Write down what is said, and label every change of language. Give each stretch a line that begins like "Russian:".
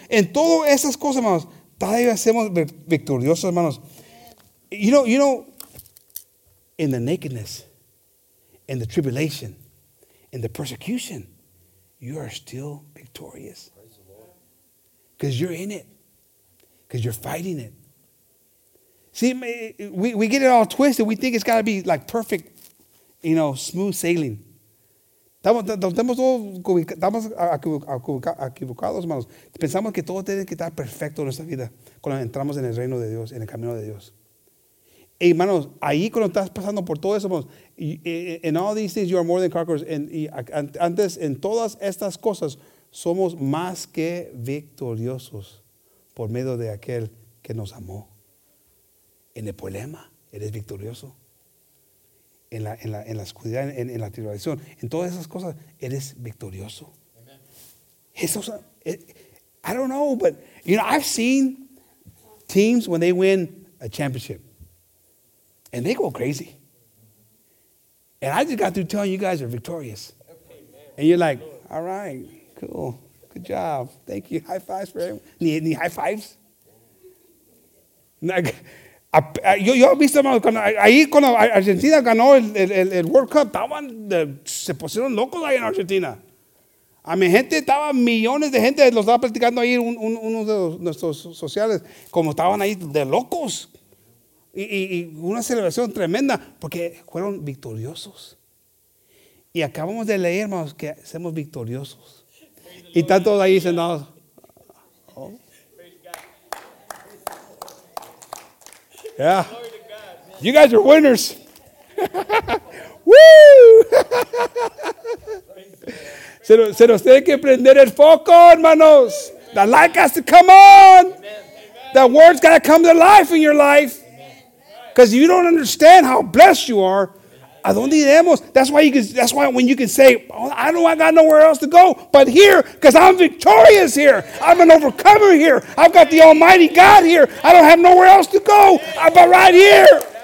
Spanish: En todas esas cosas, hermanos, todavía somos victoriosos, hermanos.
English: You know, in the nakedness, in the tribulation, in the persecution, you are still victorious. Because you're in it. Because you're fighting it. See, we get it all twisted. We think it's got to be like perfect, you know, smooth sailing.
Spanish: Estamos todos equivocados, hermanos. Pensamos que todo tiene que estar perfecto en nuestra vida cuando entramos en el reino de Dios, en el camino de Dios. Y, hermanos, ahí cuando estás pasando por todo eso, hermanos,
English: in all these things you are more than conquerors.
Spanish: Y antes, en todas estas cosas, somos más que victoriosos por medio de aquel que nos amó. En el problema, eres victorioso. En la oscuridad, en la tribulación, en todas esas cosas, eres victorioso. Amen.
English: Jesús, I don't know, but you know, I've seen teams when they win a championship and they go crazy. And I just got through telling you guys are victorious. Amen. And you're like, all right, cool, good job, thank you, high fives for everyone. Any high fives?
Spanish: Like, yo he visto, hermanos, cuando Argentina ganó el World Cup, se pusieron locos ahí en Argentina. A mi gente, estaban millones de gente, los estaba platicando ahí uno de nuestros sociales, como estaban ahí de locos. Y una celebración tremenda, porque fueron victoriosos. Y acabamos de leer, hermanos, que somos victoriosos. Y están todos ahí sentados.
English: Yeah. Glory to God. Yeah. You guys are winners. Woo!
Spanish: Se nos tiene que prender el foco, hermanos.
English: The light has to come on. Amen. The word's got to come to life in your life. Because you don't understand how blessed you are.
Spanish: ¿A dónde iremos?
English: That's why when you can say, I got nowhere else to go but here, because I'm victorious here. I'm an overcomer here. I've got the Almighty God here. I don't have nowhere else to go but right here.